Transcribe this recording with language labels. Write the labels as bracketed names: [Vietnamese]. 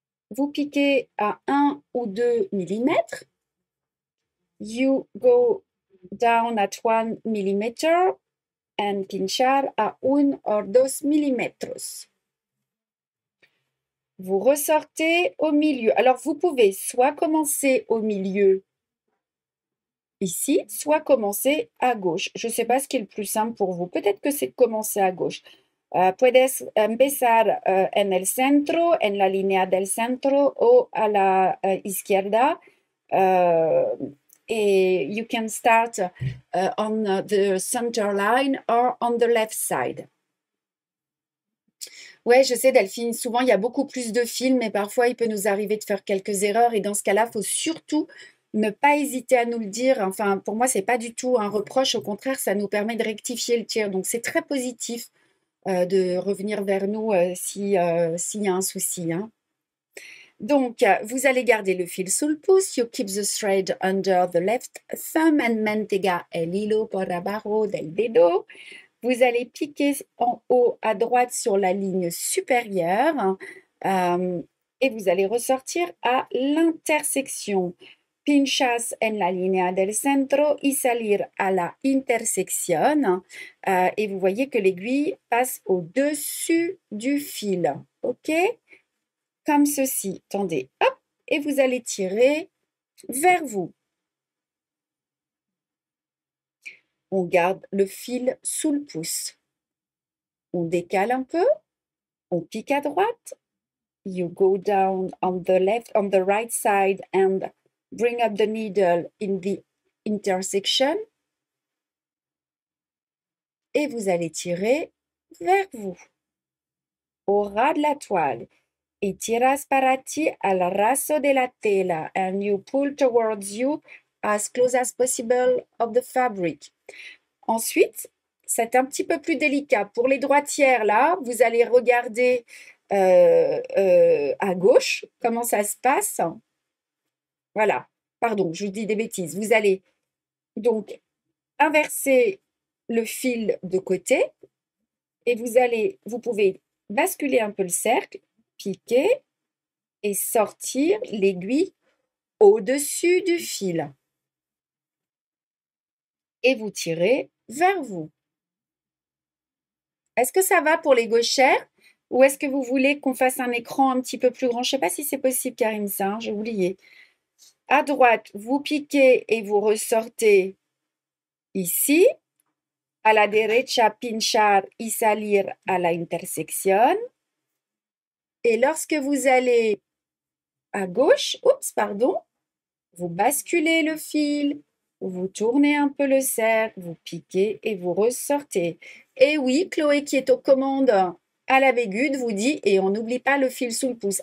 [French] Vous piquez à 1 ou 2 mm. [English] You go down at 1 mm and [Spanish] pinchar a 1 [English] or 2 mm. [French] Vous ressortez au milieu. Alors, vous pouvez soit commencer au milieu ici, soit commencer à gauche. Je ne sais pas ce qui est le plus simple pour vous. Peut-être que c'est de commencer à gauche. [Spanish] Puedes empezar en el centro, en la línea del centro o a la izquierda. [English] You can start on the center line or on the left side. [French] Oui, je sais, Delphine, souvent il y a beaucoup plus de films, mais parfois il peut nous arriver de faire quelques erreurs. Et dans ce cas-là, il faut surtout ne pas hésiter à nous le dire. Enfin, pour moi, ce n'est pas du tout un reproche. Au contraire, ça nous permet de rectifier le tir. Donc, c'est très positif de revenir vers nous s'il y a un souci, hein. Donc, vous allez garder le fil sous le pouce. [English] You keep the thread under the left thumb [French] and [Spanish] mantega el hilo por abajo del dedo. [French] Vous allez piquer en haut à droite sur la ligne supérieure et vous allez ressortir à l'intersection. [Spanish] Pinchas en la línea del centro y salir a la intersección. [French] Et vous voyez que l'aiguille passe au-dessus du fil. OK? Comme ceci. Tendez. Hop! Et vous allez tirer vers vous. On garde le fil sous le pouce. On décale un peu. On pique à droite. [English] You go down on the left, on the right side and bring up the needle in the intersection. [French] Et vous allez tirer vers vous. Au ras de la toile. [Spanish] Y tiras para ti al raso de la tela. [English] And you pull towards you as close as possible of the fabric. [French] Ensuite, c'est un petit peu plus délicat. Pour les droitières, là, vous allez regarder à gauche comment ça se passe. Voilà, pardon, je vous dis des bêtises. Vous allez donc inverser le fil de côté et vous pouvez basculer un peu le cercle, piquer et sortir l'aiguille au-dessus du fil. Et vous tirez vers vous. Est-ce que ça va pour les gauchères ou est-ce que vous voulez qu'on fasse un écran un petit peu plus grand? Je ne sais pas si c'est possible, Karim, ça, hein, j'ai oublié. À droite, vous piquez et vous ressortez ici. [Spanish] À la derecha, pinchar y salir a la intersección. [French] Et lorsque vous allez à gauche, oups, pardon, vous basculez le fil. Vous tournez un peu le cercle, vous piquez et vous ressortez. Et oui, Chloé qui est aux commandes à la Bégude vous dit, et on n'oublie pas le fil sous le pouce.